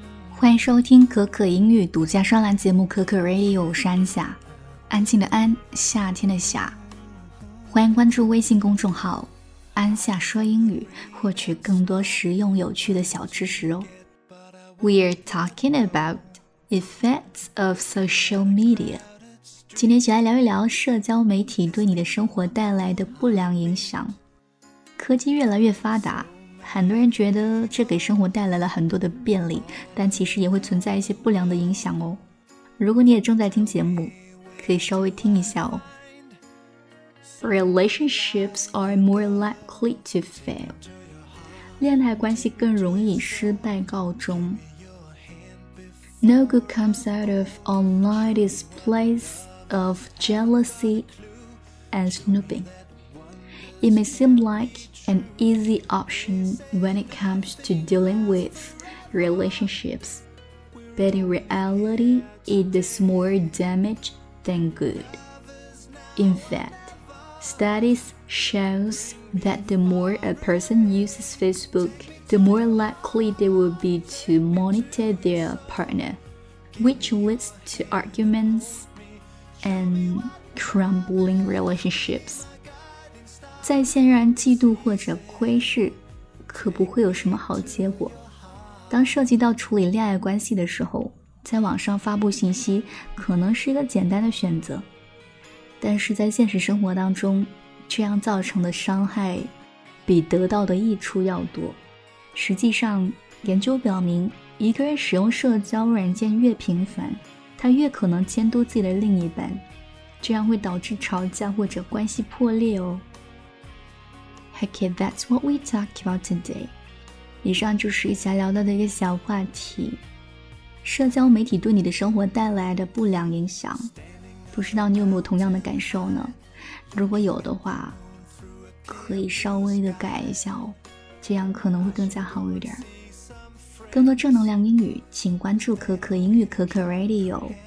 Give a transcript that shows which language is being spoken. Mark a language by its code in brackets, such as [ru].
[zh] 欢迎收听可可英语独家专栏节目可可 Radio 山下，安静的安，夏天的夏。欢迎关注微信公众号安夏说英语，获取更多实用有趣的小知识哦。 [en] We're talking about effects of social media. [zh] 今天就来聊一聊社交媒体对你的生活带来的不良影响。科技越来越发达，很多人觉得这给生活带来了很多的便利，但其实也会存在一些不良的影响哦。如果你也正在听节目，可以稍微听一下哦。 [en] Relationships are more likely to fail. [zh] 恋爱关系更容易失败告终。 [en] No good comes out of online displays of jealousy and snooping. It may seem like an easy option when it comes to dealing with relationships, but in reality, it does more damage than good. In fact, studies show that the more a person uses Facebook,the more likely they will be to monitor their partner, which leads to arguments and crumbling relationships. [zh] 在线让人嫉妒或者窥视，可不会有什么好结果。当涉及到处理恋爱关系的时候，在网上发布信息可能是一个简单的选择，但是在现实生活当中，这样造成的伤害比得到的益处要多。实际上，研究表明，一个人使用社交软件越频繁，他越可能监督自己的另一半，这样会导致吵架或者关系破裂哦。 [en] Okay, that's what we talk about today. [zh] 以上就是一起来聊到的一个小话题，社交媒体对你的生活带来的不良影响。不知道你有没有同样的感受呢？如果有的话，可以稍微的改一下哦。这样可能会更加好一点。更多正能量英语，请关注可可英语可可 Radio。